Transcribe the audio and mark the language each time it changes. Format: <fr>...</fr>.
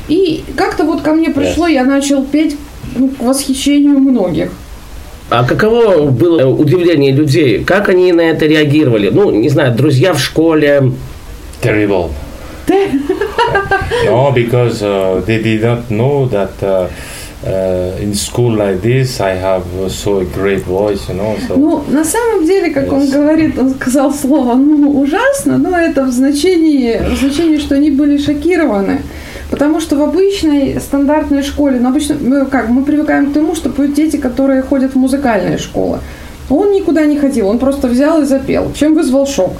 <ru>И как-то вот ко мне пришло, я начал петь, ну, к восхищению многих. А каково было удивление людей? Как они на это реагировали? Ну, не знаю, друзья в школе.</ru> <en>Terrible. No, because they did not know that. In school like this, I have so a great voice, you know. So.</en> <ru>Ну, на самом деле, как он говорит, он сказал слово, ну, ужасно, но это в значении, что они были шокированы. Потому что в обычной стандартной школе, ну, обычно, ну, как, мы привыкаем к тому, что будут дети, которые ходят в музыкальные школы. Он никуда не ходил, он просто взял и запел, чем вызвал шок.</ru>